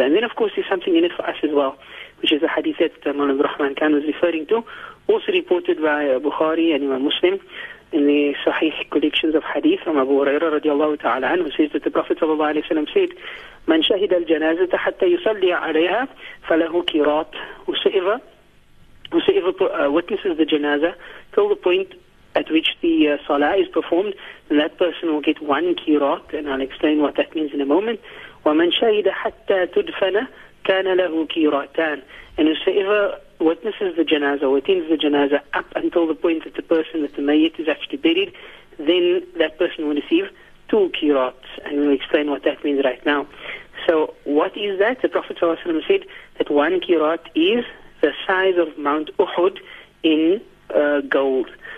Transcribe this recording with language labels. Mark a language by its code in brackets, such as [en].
[en] And then, of course, there's something in it for us as well, which is the hadith that Maulana Abdurrahman Khan was referring to, also reported by Bukhari and Imam Muslim in the Sahih collections of hadith from Abu Huraira radiallahu ta'ala, who says that the Prophet sallallahu alayhi wa sallam said, [ar] من شهد الجنازة حتى يصلي عليها فله قراط. [en] Whosoever witnesses the janazah till the point at which the salah is performed, then that person will get one qirat, and I'll explain what that means in a moment. [ar] ومن شهد حتى تدفن كان له قراتان. [en] And whosoever witnesses the janazah, attends the janazah up until the point that the person, that the mayit is actually buried, then that person will receive two qirats, and we'll explain what that means right now. So what is that? The Prophet ﷺ said that one qirat is the size of Mount Uhud in gold.